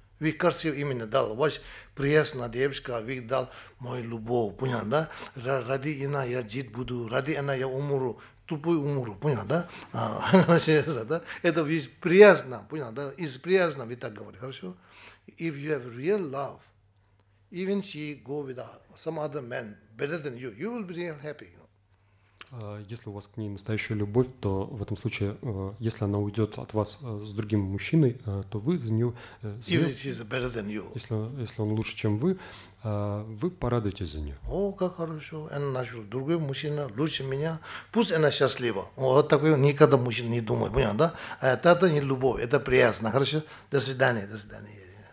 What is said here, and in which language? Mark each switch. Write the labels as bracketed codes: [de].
[ru] Вы красиво именно дал, вас приятная девушка, вы дал мою любовь, понятно, да? Ради она я жить буду, ради она я умру. Тупой умру, понял, да? А, да? Это весь приятно, понял, да? Из приятно, вы так говорите, хорошо? [en] If you have real love, even she go with some other man better than you, you will be real happy. You know? [ru] Если у вас к ней настоящая любовь, то в этом случае, если она уйдет от вас с другим мужчиной, то вы за нее... [en] Even she is better than you. [ru] Если он лучше, чем вы... Вы порадуетесь за нее. О, как хорошо. Она начала. Другой мужчина лучше меня. Пусть она счастлива. Вот такой никогда мужчина не думает. Понял, да? Это не любовь. Это приятно. Хорошо? До свидания. До свидания.